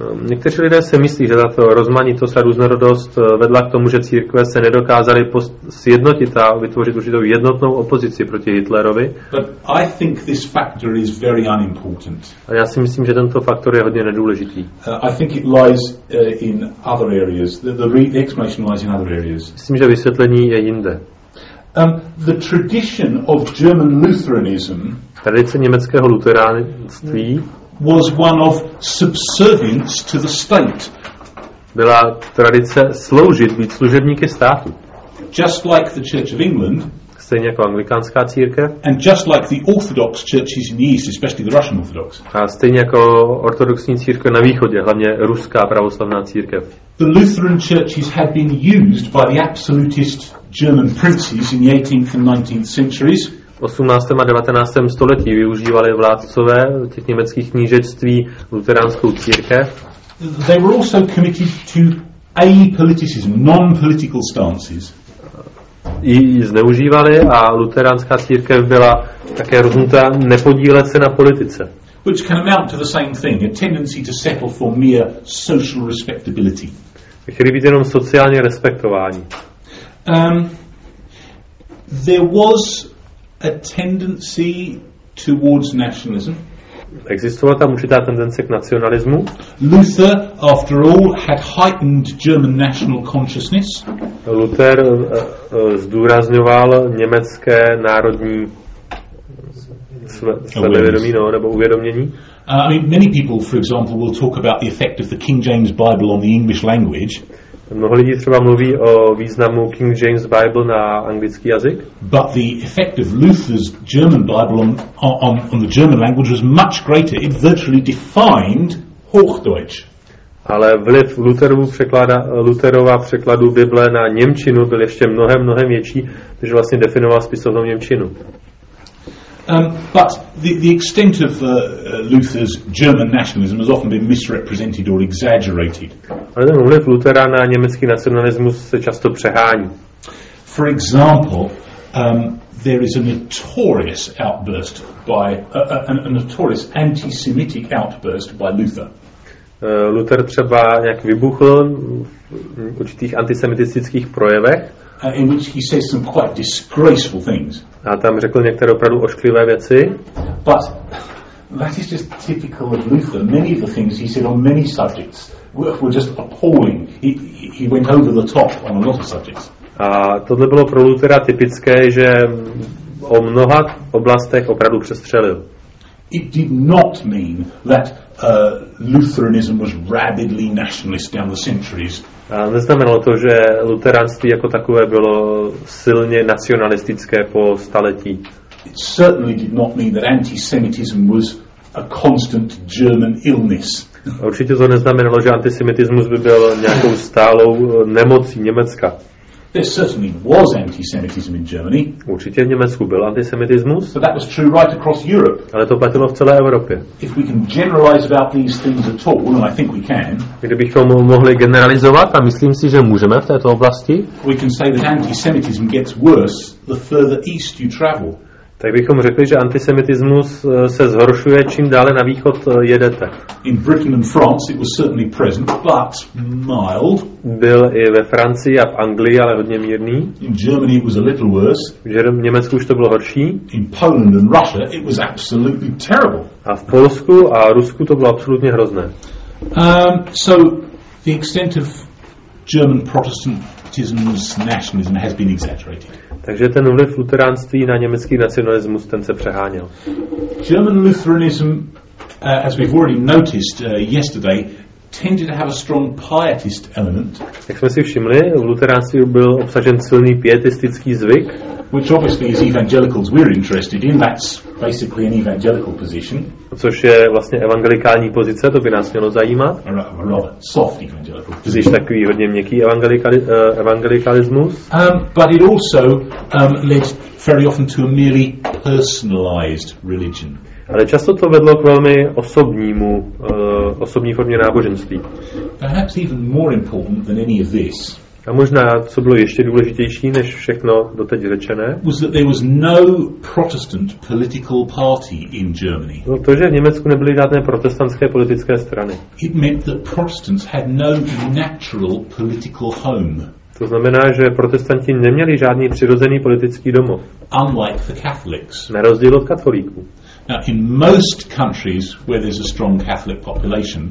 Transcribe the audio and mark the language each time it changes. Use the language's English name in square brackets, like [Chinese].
[Czech] Někteří lidé si myslí, že tato rozmanitost a různorodost vedla k tomu, že církve se nedokázaly sjednotit a vytvořit určitou jednotnou opozici proti Hitlerovi. [English] But I think this factor is very unimportant. [Czech] A já si myslím, že tento faktor je hodně nedůležitý. [English] I think it lies in other areas. The explanation lies in other areas. [Czech] Myslím, že vysvětlení je jinde. [English] The tradition of German Lutheranism. [Czech] Tradice německého luteránství [English] was one of subservience to the state. [Czech] Byla tradice sloužit, být služebníky státu. [English] Just like the Church of England. [Czech] Stejně jako anglikánská církev. [English] And just like the Orthodox churches in the East, especially the Russian Orthodox. [Czech] A stejně jako ortodoxní církve na východě, hlavně ruská pravoslavná církev. [English] The Lutheran churches had been used by the absolutist German princes in the 18th and 19th centuries. [Czech] V 18. a 19. století využívali vládcové těch německých knížectví luteránskou církev. [English] They were also committed to apoliticism, non-political stances. [Czech] I zneužívali a luteránská církev byla také rozhodnutá nepodílet se na politice. [English] Which can amount to the same thing, a tendency to settle for mere social respectability. [Czech] Chtěli být jenom sociálně respektování. [English] There was a tendency towards nationalism. [Czech] Existovala tam určitá tendence k nacionalismu. [English] Luther, after all, had heightened German national consciousness. [Czech] Luther zdůrazňoval německé národní sebevědomí, no, nebo uvědomění. [English] Many people, for example, will talk about the effect of the King James Bible on the English language. [Czech] Mnoho lidí třeba mluví o významu King James Bible na anglický jazyk. [English] But the effect of Luther's German Bible on the German language was much greater. It virtually defined Hochdeutsch. [Czech] Ale vliv Lutherova překladu Bible na němčinu byl ještě mnohem větší, než vlastně definoval spisovnou němčinu. [English] But the extent of Luther's German nationalism has often been misrepresented or exaggerated. [Czech] Ale ten vliv Luthera na německý nacionalismus se často přehání. [English] For example, there is a notorious outburst by a notorious anti-Semitic outburst by Luther. [Czech] Luther třeba nějak vybuchl v určitých antisemitistických projevech. [English] In which he says some quite disgraceful things. [Czech] A tam řekl některé opravdu ošklivé věci. [English] But that is just typical of Luther. Many of the things he said on many subjects were just appalling. He went over the top on a lot of subjects. [Czech] A tohle bylo pro Luthera typické, že o mnoha oblastech opravdu přestřelil. [English] It did not mean that Lutheranism was rabidly nationalist down the centuries. [Czech] A neznamenalo to, že luteránství jako takové bylo silně nacionalistické po staletí. [English] It certainly did not mean that antisemitism was a constant German illness. [Czech] A určitě to neznamenalo, že antisemitismus by byl nějakou stálou nemocí Německa. [English] There certainly was antisemitism in Germany. [Czech] Určitě v Německu byl antisemitismus. [English] But that was true right across Europe. [Czech] Ale to platilo v celé Evropě. [English] If we can generalize about these things at all, and I think we can. [Czech] Kdybychom mohli generalizovat, a myslím si, že můžeme v této oblasti. [English] We can say that antisemitism gets worse the further east you travel. [Czech] Tak bychom řekli, že antisemitismus se zhoršuje, čím dále na východ jedete. [English] In Britain and France it was certainly present, but mild. [Czech] Byl i ve Francii a v Anglii, ale hodně mírný. [English] In Germany it was a little worse. [Czech] V Německu už to bylo horší. [English] In Poland and Russia it was absolutely terrible. [Czech] A v Polsku a Rusku to bylo absolutně hrozné. [English] So the extent of German Protestantism's nationalism has been exaggerated. [Czech] Takže ten vliv luteránství na německý nacionalismus, ten se přeháněl. [English] German Lutheranism, as we've already noticed yesterday, tended to have a strong pietist element. [Czech] Jak jsme si všimli, v luteránství byl obsažen silný pietistický zvyk. [English] Which obviously as evangelicals we're interested in, that's basically an evangelical position. [Czech] Což je vlastně evangelikální pozice, to by nás mělo zajímat. [English] Soft evangelical position. [Czech] Což je takový hodně měkký evangelikalismus. [English] But it also led very often to a merely personalized religion. [Czech] Ale často to vedlo k velmi osobnímu, osobní formě náboženství. [English] Perhaps even more important than any of this. [Czech] A možná, co bylo ještě důležitější než všechno doteď řečené, [English] was that there was no Protestant political party in Germany. [Czech] Bylo to, že v Německu nebyly žádné protestantské politické strany. [English] It meant that Protestants had no natural political home. [Czech] To znamená, že protestanti neměli žádný přirozený politický domov. [English] Unlike the Catholics. [Czech] Na rozdíl od katolíků. [English] Now, in most countries where there's a strong Catholic population,